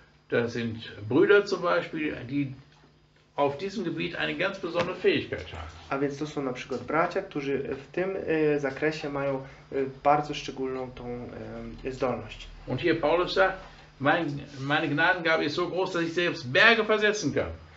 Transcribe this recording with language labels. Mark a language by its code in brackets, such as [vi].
[de] Das sind Brüder zum Beispiel, die auf diesem Gebiet eine ganz besondere Fähigkeit haben. [pl] A więc to są na przykład bracia, którzy w tym zakresie mają bardzo szczególną tą zdolność. [de] Und hier Paulus sagt, meine Gnadengabe ist so groß, dass ich selbst Berge versetzen kann.